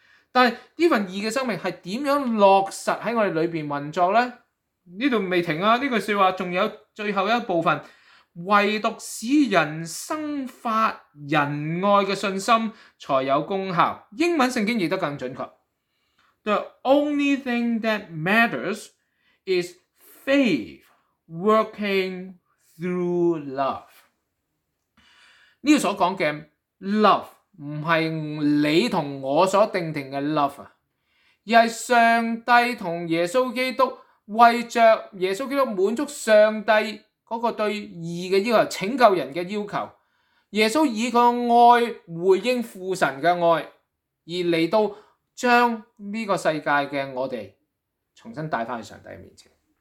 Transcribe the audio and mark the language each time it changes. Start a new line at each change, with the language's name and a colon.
Chinese: 但是这份义的生命是怎样落实在我们里面运作呢？这里未停啊，这句说话还有最后一部分，唯独使人生发仁爱的信心才有功效。英文圣经译得更准确，
English: The only thing that matters is faith working through love.
Chinese: 这个所说的 love 不是你和我所定定的 love， 而是上帝和耶稣基督为着耶稣基督满足上帝那个对义的要求，拯救人的要求，耶稣以他的爱回应父神的爱，而来到将这个世界的我们重新带回上帝面前。